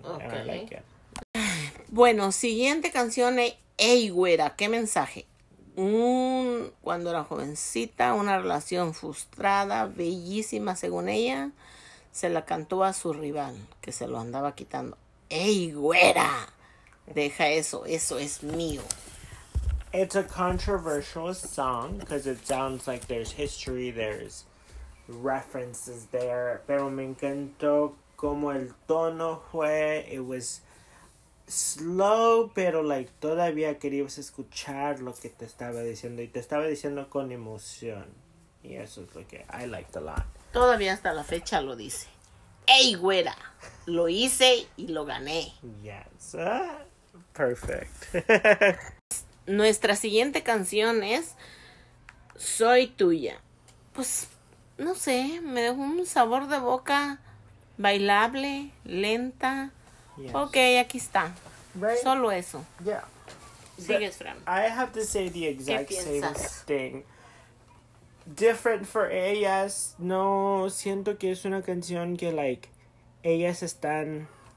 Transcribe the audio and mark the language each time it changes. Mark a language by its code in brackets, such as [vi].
[en] Okay. I like it. [es] Bueno, siguiente canción Ey, güera, ¿qué mensaje? Cuando era jovencita, una relación frustrada, bellísima según ella, se la cantó a su rival, que se lo andaba quitando. Ey, güera, deja eso, eso es mío. [en] It's a controversial song because it sounds like there's history, there's references there. [es] Pero me encantó cómo el tono fue. [en] It was slow, [es] pero like todavía querías escuchar lo que te estaba diciendo. Y te estaba diciendo con emoción. Y eso es lo que [en] I liked a lot. [es] Todavía hasta la fecha lo dice. ¡Ey, güera! Lo hice y lo gané. [en] Yes. Perfect. [es] Nuestra siguiente canción es Soy Tuya. Pues, no sé, me dejó un sabor de boca bailable, lenta. Yes. Ok, aquí está. Right? Solo eso. [en] Yeah. [es] Sigues, Fran. [en] I have to say the exact same thing. Different for ellas. [es] No siento que es una canción que, like, ellas están...